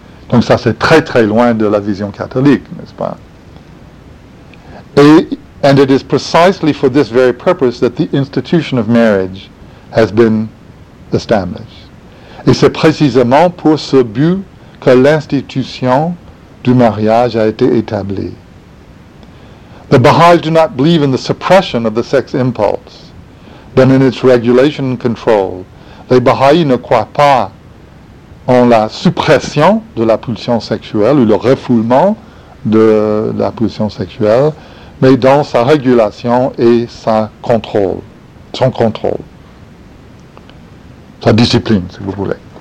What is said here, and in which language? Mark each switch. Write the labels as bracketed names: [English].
[French] Donc ça, c'est très très loin de la vision catholique, n'est-ce pas? [English] And it is precisely for this very purpose that the institution of marriage has been established. [French] Et c'est précisément pour ce but que l'institution du mariage a été établi. [English] The Baha'is do not believe in the suppression of the sex impulse, but in its regulation and control. [French] Les Baha'is ne croient pas en la suppression de la pulsion sexuelle ou le refoulement de la pulsion sexuelle, mais dans sa régulation et sa contrôle, son contrôle, sa discipline, si vous voulez.